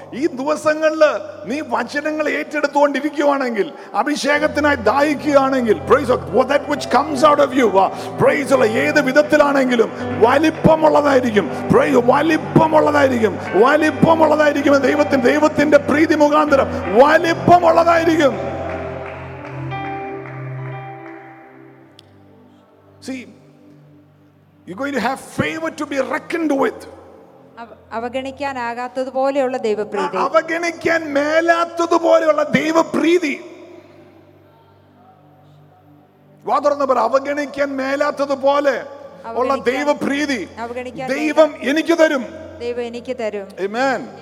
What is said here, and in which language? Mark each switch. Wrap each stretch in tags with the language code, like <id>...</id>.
<ml>ഈ ദിവസങ്ങളിൽ നീ വചനങ്ങൾ ഏറ്റെടുത്തുകൊണ്ടിരിക്കുകയാണെങ്കിൽ, അഭിഷേകത്തിനായി ദാഹിക്കുകയാണെങ്കിൽ,</ml> <en>praise the that which comes out of you, praise the Lord,</en> <ml>ഏത് വിധത്തിലാണെങ്കിലും വലിപ്പമുള്ളതായിരിക്കും. പ്രൈസ് വലിപ്പമുള്ളതായിരിക്കും, വലിപ്പമുള്ളതായിരിക്കും. ദൈവത്തിന്റെ പ്രീതി മുഖാന്തരം വലിപ്പമുള്ളതായിരിക്കും.</ml> <en>See, you're going to have favor to be reckoned with.</en> <ml>അവഗണിക്കാനാകാത്തതുപോലെയുള്ള ദൈവപ്രീതി, അവഗണിക്കാൻ മേലാത്തതുപോലെയുള്ള ദൈവപ്രീതി. അവഗണിക്കാൻ മേലാത്തതുപോലെ ഉള്ള ദൈവപ്രീതി ദൈവം എനിക്ക് തരും. ആമേൻ.</ml>